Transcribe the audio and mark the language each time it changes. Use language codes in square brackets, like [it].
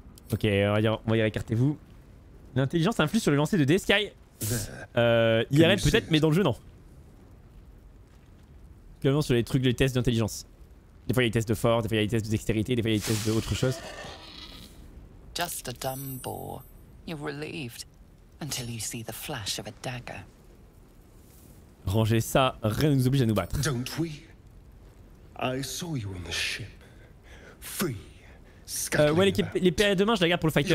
[fr] Ok, on va y aller, écartez-vous. L'intelligence influe sur le lancer de D Sky. IRL peut-être, mais dans le jeu, non. Clairement sur les trucs, les tests d'intelligence. Des fois, il y a des tests de force, des fois, il y a des tests de dextérité, des fois, il y a des tests d'autre chose. [en] Just a dumb boar. You're relieved until you see the flash of a dagger. [fr] Ranger ça, rien ne nous oblige à nous battre. [en] Don't we? I saw you on the ship. Free. [fr] Ouais, l'épée de main, je la garde pour le fighter.